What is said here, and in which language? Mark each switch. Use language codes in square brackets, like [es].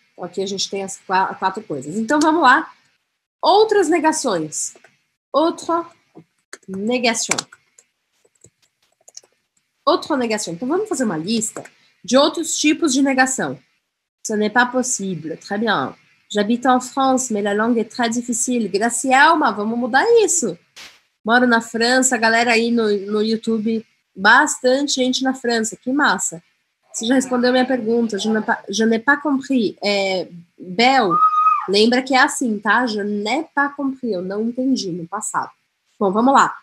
[pt] Então, aqui a gente tem as quatro coisas. Então, vamos lá. Outras negações. Outra negação. Outra negação. Então, vamos fazer uma lista de outros tipos de negação. [fr] Ce n'est pas possible. Très bien. J'habite en France, mais la langue est très difficile. [pt] Gracielma, vamos mudar isso. Moro na França, galera aí no YouTube, bastante gente na França, que massa. Você já respondeu minha pergunta, [fr] je n'ai pas compris. [pt] Bel, lembra que é assim, tá? [fr] Je n'ai pas compris, [pt] eu não entendi no passado. Bom, vamos lá.